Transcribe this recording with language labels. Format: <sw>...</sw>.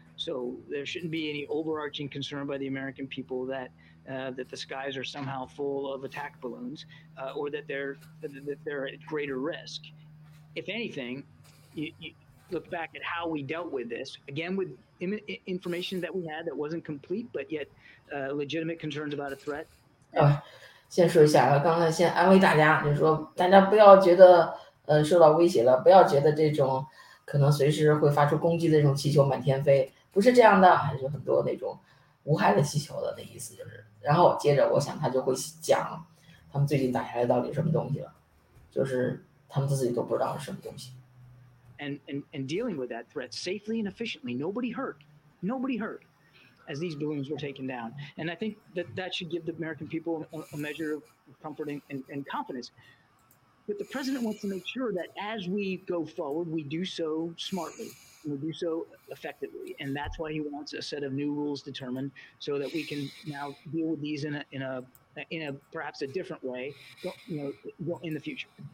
<en>So there shouldn't be any overarching concern by the American people that the skies are somehow full of attack balloons, or that they're at greater risk. If anything, you look back at how we dealt with this, again, with information that we had that wasn't complete, but yet legitimate concerns about a threat.</en> <zh>先说一下，刚才先安慰大家，就说大家不要觉得受到威胁了，不要觉得这种可能随时会发出攻击的这种气球满天飞，不是这样的，还是很多那种无害的气球的那意思就是。然后接着我想他就会讲他们最近打下来到底什么东西了，就是他们自己都不知道是什么东西。</zh> <en>And dealing with that threat safely and efficiently, nobody hurt as these balloons were taken down, and I think that should give the American people a measure of comfort and confidence. But the president wants to make sure that as we go forward we do so smartlyWe do so effectively, and that's why he wants a set of new rules determined, so that we can now deal with these in a perhaps a different way, in the future.</en>